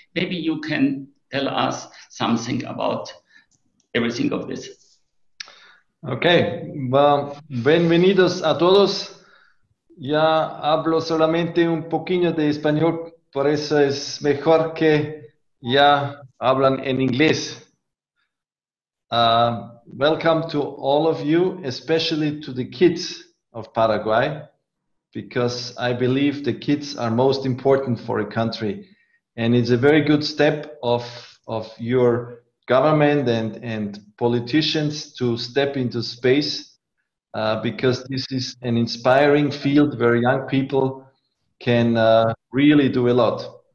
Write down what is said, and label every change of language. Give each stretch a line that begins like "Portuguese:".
English: Maybe you can tell us something about everything of this. Okay, well,
Spanish: bienvenidos a todos. Ya hablo solamente un poquito de español, por eso es mejor que ya hablan en inglés.
English: Welcome to all of you, especially to the kids of Paraguay, because I believe the kids are most important for a country. And it's a very good step of of your government and politicians to step into space, because this is an inspiring field where young people can really do a lot.